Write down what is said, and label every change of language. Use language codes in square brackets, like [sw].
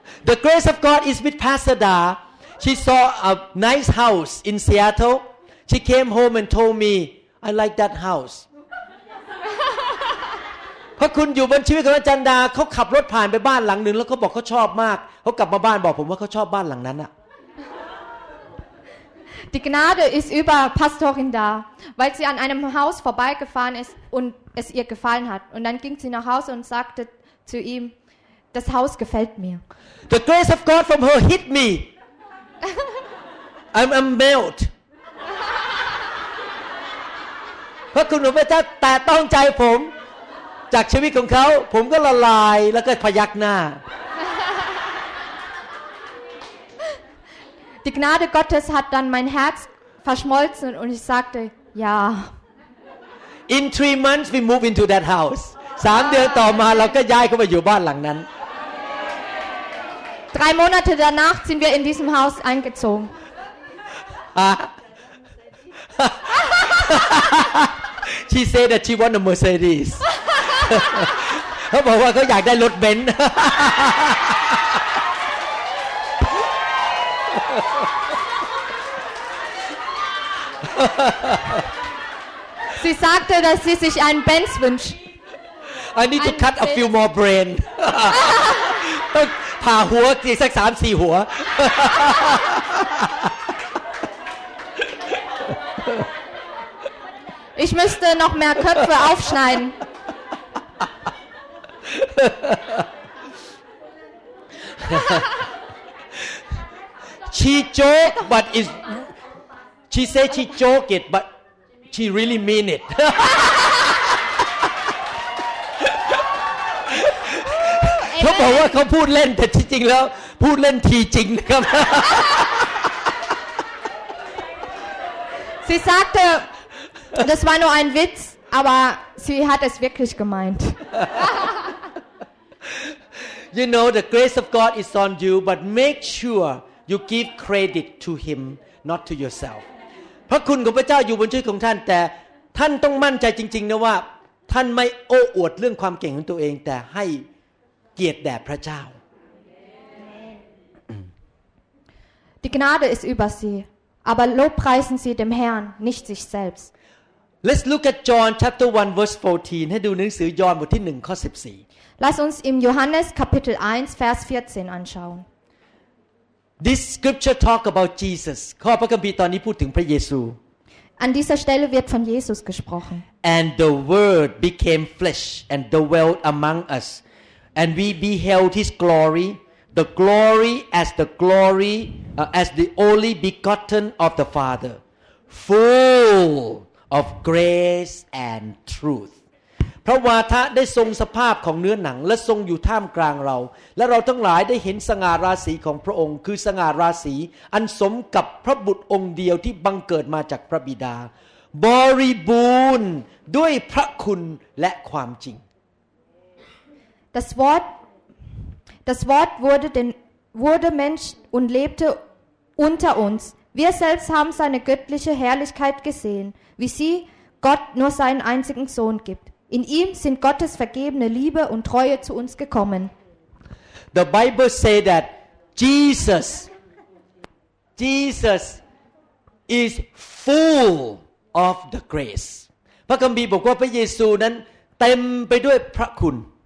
[en] The grace of God is with Pasada. She saw a nice house in Seattle. She came home and told me, I like that house. [th] พระคุณอยู่บนชีวิตของจันดาเขาขับรถผ่านไปบ้านหลังหนึ่งแล้วเขาบอกเขาชอบมากเขากลับมาบ้านบอกผมว่าเขาชอบบ้านหลังนั้นอะ [de] Die Gnade ist über Pastorin da, weil sie an einem Haus vorbeigefahren ist und es ihr gefallen hat. Und dann ging sie nach Hause und sagte zu ihm, das Haus gefällt mir. [en] The grace of God from her hit me. I'm melt. [th] พระคุณของพระเจ้าแตะต้องใจผมจากชีวิตของเขาผมก็ละลายแล้วก็พยักหน้า [de] Die Gnade Gottes hat dann mein Herz verschmolzen und ich sagte, ja. [en] In 3 months we move into that house. [th] 3 เดือนต่อมาเราก็ย้ายเข้าไปอยู่บ้านหลังนั้น [de] 3 Monate danach sind wir in diesem Haus eingezogen. [en] She said that she want a Mercedes. [th] เขาบอกว่าเขาอยากได้รถเบนซ [de] Sie sagte, dass sie sich einen Benz wünscht. [en] I need to cut a few more brain. [th] Pa hua ti sak 3 4 hua. [de] Ich müsste noch mehr Köpfe aufschneiden. [en] She joke, but is she say she joke it, but she really mean it. [th] เขาบอกว่าเขาพูดเล่นแต่จริงๆแล้วพูดเล่นทีจริงนะครับ [de] Sie sagte, das war nur ein Witz, aber sie hat es wirklich gemeint. [en] You know, the grace of God is on you, but make sure. You give credit to him, not to yourself. [th] พระคุณของพระเจ้าอยู่บนชีวิตของท่านแต่ท่านต้องมั่นใจจริงๆนะว่าท่านไม่โอ้อวดเรื่องความเก่งของตัวเองแต่ให้เกียรติแด่พระเจ้า [de] Die Gnade ist über Sie, aber lobpreisen Sie dem Herrn, nicht sich selbst. [en] Let's look at John chapter 1 verse 14. [th] ให้ดูหนังสือยอห์นบทที่1ข้อ14. [de] Lass uns im Johannes Kapitel 1 Vers 14 anschauen. [en] This scripture talk about Jesus. [th] ข้อพระคัมภีร์ตอนนี้พูดถึงพระเยซู [de] An dieser Stelle wird von Jesus gesprochen. [en] And the Word became flesh and dwelt among us, and we beheld his glory, the glory as the glory as the only begotten of the Father, full of grace and truth. [th] พระวาทะได้ทรงสภาพของเนื้อหนังและทรงอยู่ท่ามกลางเราและเราทั้งหลายได้เห็นสง่าราศีของพระองค์คือสง่าราศีอันสมกับพระบุตรองค์เดียวที่บังเกิดมาจากพระบิดาบริบูรณ์ด้วยพระคุณและความจริง [de] Das Wort wurde Mensch und lebte unter uns. Wir selbst haben seine göttliche Herrlichkeit gesehen, wie sie Gott nur seinen einzigen Sohn gibt. In ihm sind Gottes vergebene Liebe und Treue zu uns gekommen. [en] The Bible say that Jesus is full of the grace. [th] พระคัมภีร์บอกว่าพระเยซูนั้นเต็มไปด้วยพระคุณ